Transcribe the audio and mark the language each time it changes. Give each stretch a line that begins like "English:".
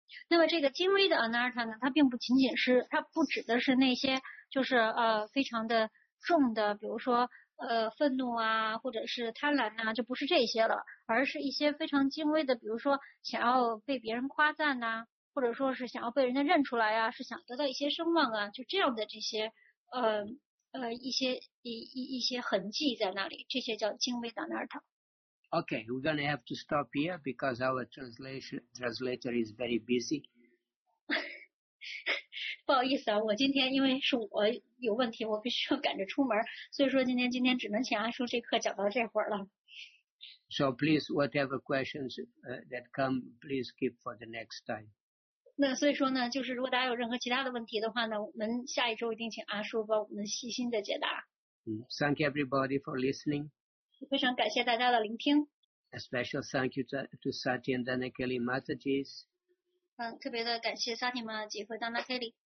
Chinese: 那么这个精微的 anartha 呢，它并不仅仅是，它不指的是那些就是非常的重的，比如说愤怒啊，或者是贪婪啊，就不是这些了，而是一些非常精微的，比如说想要被别人夸赞呐、啊，或者说是想要被人家认出来啊，是想得到一些声望啊，就这样的这些一些痕迹在那里，这些叫精微的 anartha。
English: Okay, we're going to have to stop here because our translator is very busy.
Chinese: 不好意思啊，我今天因为是我有问题，我必须要赶着出门，所以说今天只能请阿叔这课讲到这会儿了。
English: So please, whatever questions that come, please keep for the next time.
Chinese: 那所以说呢，就是如果大家有任何其他的问题的话呢，我们下一周一定请阿叔帮我们细心的解答。
English: Thank you everybody for listening.
Chinese: 非常感谢大家的聆听。
English: A special thank you to Sati and Dana Kelly Matajis.
Chinese: 特别的感谢 Sati Matajis 和 Dana Kelly.